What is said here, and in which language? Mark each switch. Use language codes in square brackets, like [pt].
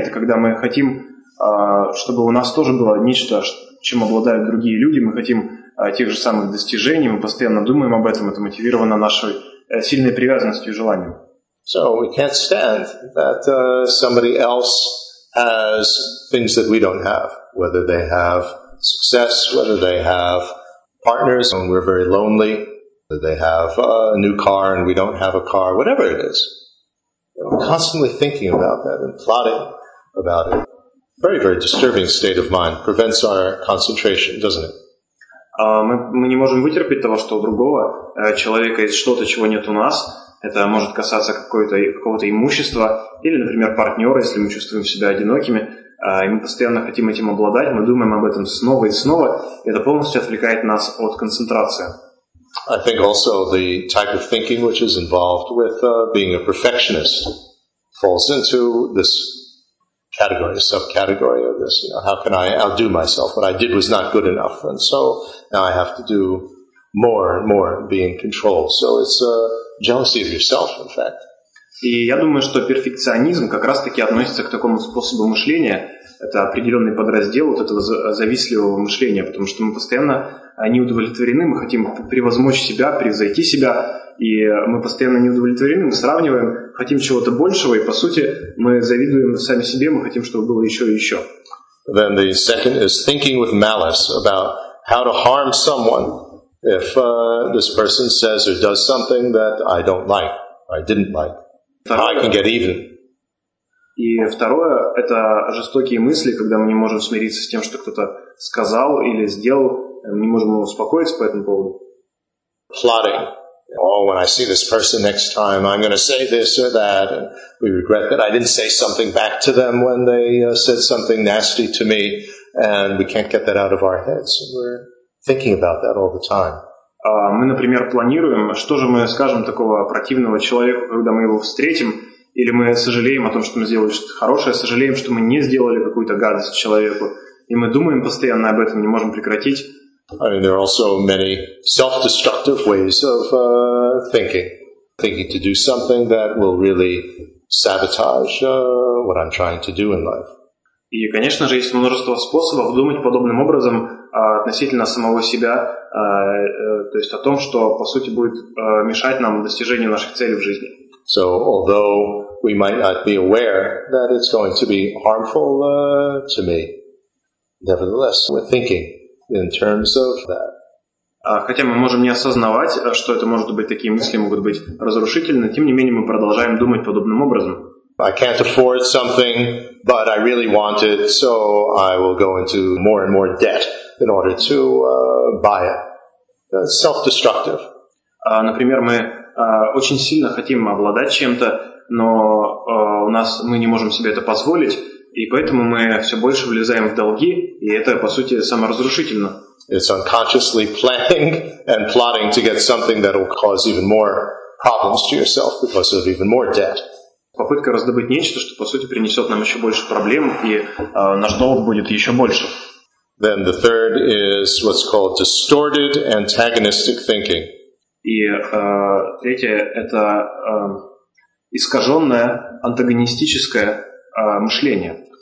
[ru] Это когда мы хотим, чтобы у нас тоже было нечто, чем обладают другие люди. Мы хотим тех же самых достижений. Мы постоянно думаем об этом. Это мотивировано нашей сильной привязанностью и желанием. [en] So we can't stand that somebody else has things that we don't have, whether they have success, whether they have partners, and we're very lonely, whether they have a new car and we don't have a car, whatever it is. We're constantly thinking about that and plotting about it. Very, very disturbing state of mind. Prevents our concentration, doesn't it? [ru] Мы не можем вытерпеть того, что у другого человека есть что-то, чего нет у нас. Это может касаться какого-то имущества или, например, партнера, если мы чувствуем себя одинокими. И мы постоянно хотим этим обладать, мы думаем об этом снова и снова. И это полностью отвлекает нас от концентрации. [en] I think also the type of thinking which is involved with being a perfectionist falls into this category, subcategory of this, you know, how can I outdo myself? What I did was not good enough, and so now I have to do more and more and be in control. So it's a jealousy of yourself, in fact. [ru] И я думаю, что перфекционизм как раз-таки относится к такому способу мышления. Это определенный подраздел вот этого завистливого мышления, потому что мы постоянно не удовлетворены, мы хотим превозмочь себя, превзойти себя, и мы постоянно не удовлетворены, мы сравниваем, хотим чего-то большего, и по сути мы завидуем сами себе, мы хотим, чтобы было еще и еще. [en] Then the second is thinking with malice about how to harm someone if this person says or does something that I don't like, I didn't like. How I can get even. [ru] И второе – это жестокие мысли, когда мы не можем смириться с тем, что кто-то сказал или сделал, мы не можем успокоиться по этому поводу. [en] Plotting. Oh, when I see this person next time, I'm going to say this or that. And we regret that I didn't say something back to them when they said something nasty to me. And we can't get that out of our heads. And we're thinking about that all the time. [ru] Мы, например, планируем, что же мы скажем такого противного человеку, когда мы его встретим. Или мы сожалеем о том, что мы сделали что-то хорошее, сожалеем, что мы не сделали какую-то гадость человеку. И мы думаем постоянно об этом, не можем прекратить. [en] I mean, there are also many self-destructive ways of thinking. Thinking to do something that will really sabotage what I'm trying to do in life. [ru] И, конечно же, есть множество способов думать подобным образом относительно самого себя, то есть о том, что, по сути, будет мешать нам достижению наших целей в жизни. [en] So, although we might not be aware that it's going to be harmful to me, nevertheless, we're thinking in terms of that. [ru] Хотя мы можем не осознавать, что это может быть, такие мысли могут быть разрушительны, тем не менее мы продолжаем думать подобным образом. [en] I can't afford something, but I really want it, so I will go into more and more debt in order to buy it. That's self-destructive. [ru] Например, мы очень сильно хотим обладать чем-то, но у нас мы не можем себе это позволить, и поэтому мы все больше влезаем в долги, и это, по сути, саморазрушительно. [en] It's unconsciously planning and plotting to get something that will cause even more problems to yourself because of even more debt. [ru] Попытка раздобыть нечто, что по сути принесет нам еще больше проблем, и наш долг будет еще больше. [en] Then the third is what's called distorted antagonistic thinking. [ru] И третье – это искаженное антагонистическое мышление.